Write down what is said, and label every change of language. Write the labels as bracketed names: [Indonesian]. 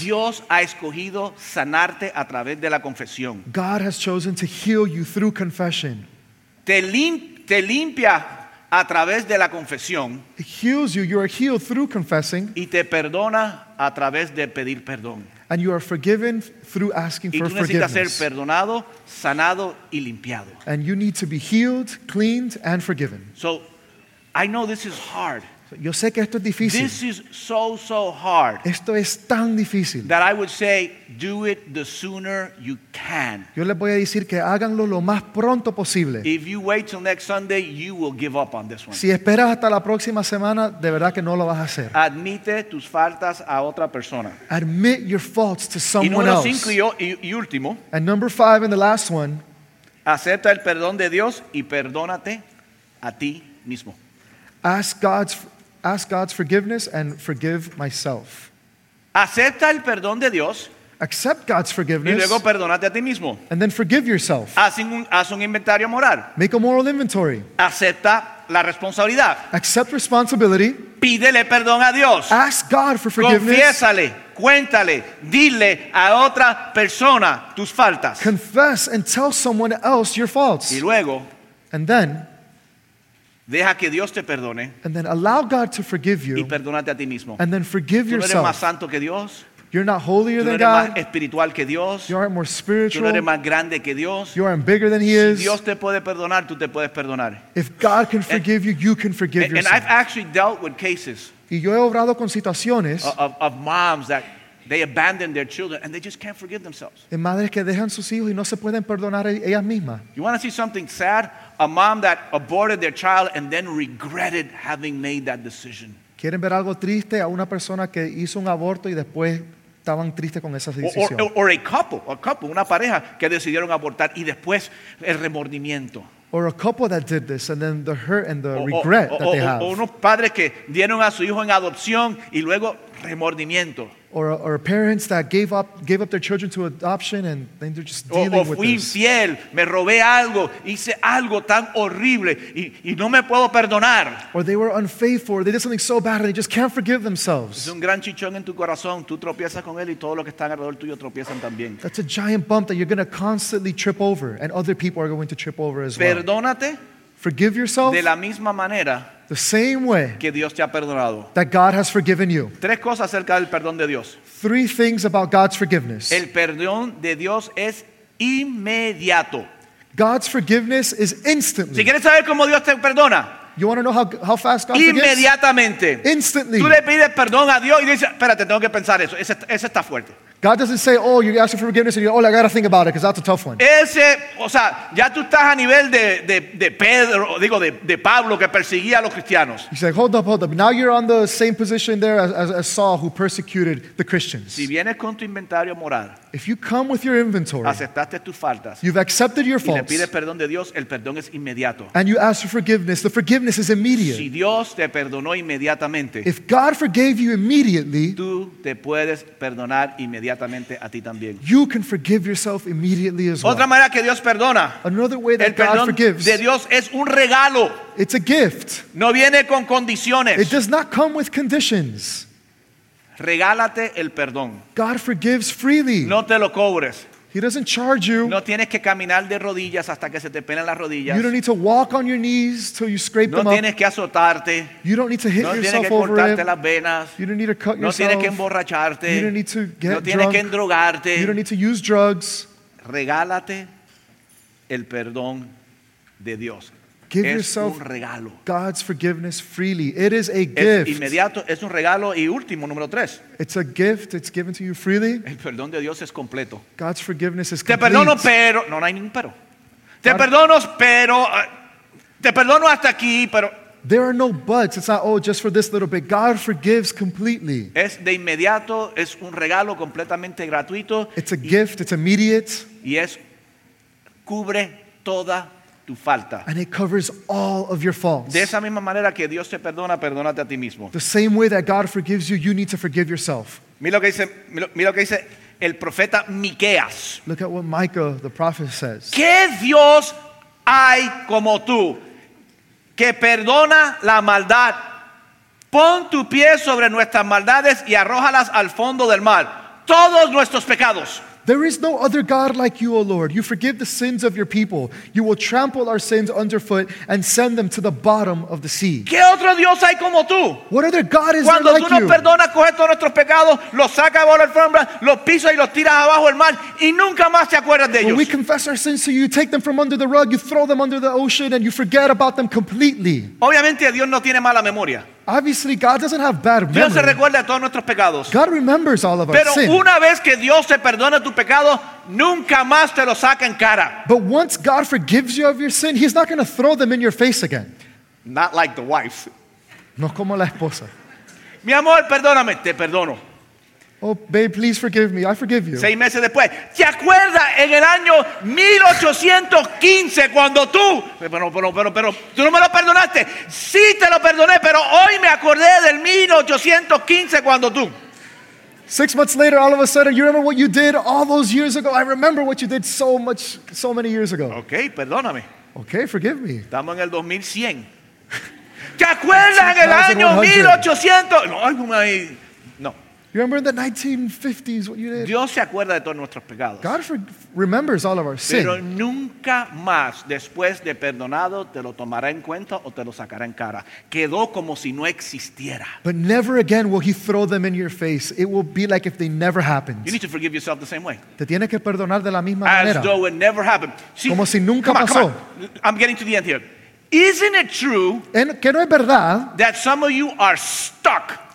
[Spanish] Dios ha escogido sanarte a través de la confesión. [English] God has chosen to heal you through confession. [Spanish] Te limpia a través de la confesión. [English] It heals you. You are healed through confessing. [Spanish] Y te perdona a través de pedir perdón. [English] And you are forgiven through asking for forgiveness. [Spanish] Y tú necesitas ser perdonado, sanado y limpiado. [English] And you need to be healed, cleaned, and forgiven. So, I know this is hard. [Spanish] Yo sé que esto es difícil. [English] This is so, so hard. [Spanish] Esto es tan difícil. [English] That I would say, do it the sooner you can. [Spanish] Yo les voy a decir que háganlo lo más pronto posible. [English] If you wait till next Sunday, you will give up on this one. [Spanish] Si esperas hasta la próxima semana, de verdad que no lo vas a hacer. Admite tus faltas a otra persona. [English] Admit your faults to someone else. [Spanish] Y número cinco y último. [English] And number five and the last one. [Spanish] Acepta el perdón de Dios y perdónate a ti mismo. [English] Ask God's forgiveness and forgive myself. [Spanish] Acepta el perdón de Dios. [English] Accept God's forgiveness. [Spanish] Y luego perdónate a ti mismo. [English] And then forgive yourself. [Spanish] Haz un inventario moral. [English] Make a moral inventory. [Spanish] Acepta la responsabilidad. [English] Accept responsibility. [Spanish] Pídele perdón a Dios. [English] Ask God for forgiveness. [Spanish] Confiésale, cuéntale, dile a otra persona tus faltas. [English] Confess and tell someone else your faults. [Spanish] Y luego, [English] and then, [Spanish] deja que Dios te perdone. [English] And then allow God to forgive you. [Spanish] Y perdónate a ti mismo. [English] And then forgive yourself. [Spanish] Tú no eres más santo que Dios. [English] You're not holier than God. [Spanish] Tú no eres más espiritual que Dios. [English] You aren't more spiritual. [Spanish] Tú no eres más grande que Dios. [English] You aren't bigger than He is. [Spanish] Si Dios te puede perdonar, tú te puedes perdonar. [English] If God can forgive you, you can forgive yourself. And I've actually dealt with cases. [Spanish] Y yo he obrado con situaciones [English] of moms that they abandon their children and they just can't forgive themselves. [Spanish] De madres que dejan sus hijos y no se pueden perdonar ellas mismas. [English] You want to see something sad? A mom that aborted their child and then regretted having made that decision. [Spanish] ¿Quieren ver algo triste? A una persona que hizo un aborto y después estaban tristes con esa decisión. [English] Or a couple, [Spanish] una pareja que decidieron abortar y después el remordimiento. [English] Or a couple that did this and then the hurt and the regret that they have. [Spanish] O unos padres que dieron a su hijo en adopción y luego remordimiento. [English] Or parents that gave up their children to adoption and then they're just dealing with this. [Spanish] O fui infiel, me robé algo, hice algo tan horrible y no me puedo perdonar. [English] Or they were unfaithful, they did something so bad and they just can't forgive themselves. [Spanish] Es un gran chichón en tu corazón, tú tropiezas con él y todos los que están alrededor tuyo tropiezan también. [English] That's a giant bump that you're going to constantly trip over and other people are going to trip over as well. [Spanish] Perdónate. [English] Forgive yourself [Spanish] de la misma manera. [English] The same way [Spanish] que Dios te ha perdonado. [English] That God has forgiven you. [Spanish] Tres cosas acerca del perdón de Dios. [English] Three things about God's forgiveness. [Spanish] El perdón de Dios es inmediato. [English] God's forgiveness is instantly. [Spanish] Si quieres saber cómo Dios te perdona, [English] you want to know how fast God [Spanish] inmediatamente [English] forgives? Instantly. [Spanish] Tú le pides perdón a Dios y dices, espérate, tengo que pensar eso. Ese está fuerte. [English] God doesn't say, oh, you're asking for forgiveness, and you go, oh, I got to think about it, because that's a tough one. [Spanish] Ese, o sea, ya tú estás a nivel de Pedro, digo, de Pablo, que perseguía a los cristianos. [English] He's like, hold up. Now you're on the same position there as Saul, who persecuted the Christians. [Spanish] Si vienes con tu inventario moral, [English] if you come with your inventory, [Spanish] aceptaste tus faltas, [English] you've accepted your faults, [Spanish] y le pides perdón de Dios, el perdón es inmediato. [English] And you ask for forgiveness, the forgiveness is immediate. [Spanish] Si Dios te perdonó inmediatamente, [English] if God forgave you immediately, [Spanish] tú te puedes perdonar inmediatamente. A ti también. [English] You can forgive yourself immediately as well. [Spanish] Otra manera que Dios perdona. [English] Another way that [Spanish] el perdón [English] God forgives. [Spanish] De Dios es un regalo. [English] It's a gift. [Spanish] No viene con condiciones. [English] It does not come with conditions. [Spanish] Regálate el perdón. [English] God forgives freely. [Spanish] No te lo cobres. [English] He doesn't charge you. [Spanish] No tienes que caminar de rodillas hasta que se te pelen las rodillas. [English] You don't need to walk on your knees till you scrape [Spanish] no [English] them up. [Spanish] No tienes que azotarte. [English] You don't need to hit [Spanish] no [English] yourself over [Spanish] No tienes que cortarte las venas. [English] You don't need to cut [Spanish] no [English] yourself. [Spanish] No tienes que emborracharte. [English] You don't need to get [Spanish] drunk. No tienes [English] drunk. [Spanish] Que endrogarte. [English] You don't need to use drugs. [Spanish] Regálate el perdón de Dios. [English] Give [Spanish] es [English] yourself [Spanish] un regalo. [English] God's forgiveness freely. It is a gift. [Spanish] Es inmediato, es un regalo y último, número tres. [English] It's a gift. It's given to you freely. [Spanish] El perdón de Dios es completo. [English] God's forgiveness is [Spanish] te [English] complete. [Spanish] Te perdono, pero no hay ningún pero. Te perdono, pero te perdono hasta aquí, pero. [English] There are no buts. It's not, oh, just for this little bit. God forgives completely. [Spanish] Es de inmediato, es un regalo completamente gratuito. [English] It's a gift. It's immediate. [Spanish] Y es cubre toda. [English] And it covers all of your faults. [Spanish] De esa misma manera que Dios te perdona, perdónate a ti mismo. [English] The same way that God forgives you, you need to forgive yourself. [Spanish] Mira lo que dice el profeta Miqueas. [English] Look at what Micah, the prophet, says. [Spanish] ¿Qué Dios hay como tú que perdona la maldad? Pon tu pie sobre nuestras maldades y arrójalas al fondo del mar. Todos nuestros pecados. [English] There is no other God like you, O Lord. You forgive the sins of your people. You will trample our sins underfoot and send them to the bottom of the sea. [Spanish] ¿Qué otro Dios hay como tú? [English] What other God is [Spanish] cuando [English] there like [Spanish] tú nos [English] you? [Spanish] Perdonas, coges todos nuestros pecados, los sacas bajo la alfombra, los pisas y los tiras abajo el mar y nunca más te acuerdas de [English] when When we confess our sins to you, you take them from under the rug, you throw them under the ocean and you forget about them completely. [Spanish] Obviamente Dios no tiene mala memoria. [English] Obviously, God doesn't have bad memory. [Spanish] Dios se recuerda a todos nuestros pecados. [English] God remembers all of [Spanish] pero [English] our sins. [Spanish] Pero una vez que Dios te perdona tu pecado, nunca más te lo saca en cara. [English] But once God forgives you of your sin, He's not going to throw them in your face again. Not like the wife. [Spanish] No como la esposa. Mi amor, perdóname, te perdono. [English] Oh, babe, please forgive me. I forgive you. [Spanish] 6 meses después. ¿Te acuerdas en el año 1815 cuando tú? Pero, tú no me lo perdonaste. Sí, te lo perdoné, pero hoy me acordé del 1815 cuando tú. [English] 6 months later, all of a sudden, you remember what you did all those years ago? I remember what you did so many years ago. [Spanish] Okay, perdóname. [English] Okay, forgive me. [Spanish] Estamos en el 2100. ¿Te acuerdas en el año 1800? [English] You remember in the 1950s what you did? [Spanish] Dios se acuerda de todos nuestros pecados. [English] God remembers all of our sin. [Spanish] Pero nunca más, después de perdonado, te lo tomará en cuenta o te lo sacará en cara. Quedó como si no existiera. [English] But never again will he throw them in your face. It will be like if they never happened. You need to forgive yourself the same way. [Spanish] Te tienes que perdonar de la misma [English] as [Spanish] manera. [English] As though it never happened. [Spanish] See, como si nunca [English] come on, [Spanish] pasó. [English] Come on. I'm getting to the end here. Isn't it true [Spanish] que no es verdad [English] that some of you are stuck?